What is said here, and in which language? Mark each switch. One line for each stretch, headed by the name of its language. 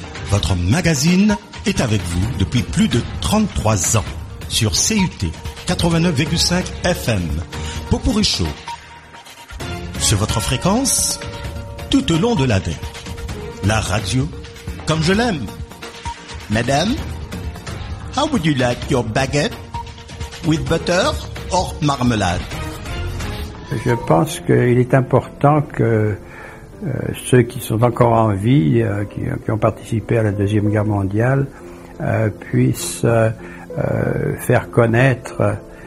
French: Votre magazine est avec vous depuis plus de 33 ans. Sur CUT 89,5 FM, Popourri Show, sur votre fréquence, tout au long de l'année, la radio, comme je l'aime.
English: Madame, how would you like your baguette, with butter or marmelade?
French: Je pense qu'il est important que ceux qui sont encore en vie, qui ont participé à la Deuxième Guerre mondiale, puissent faire connaître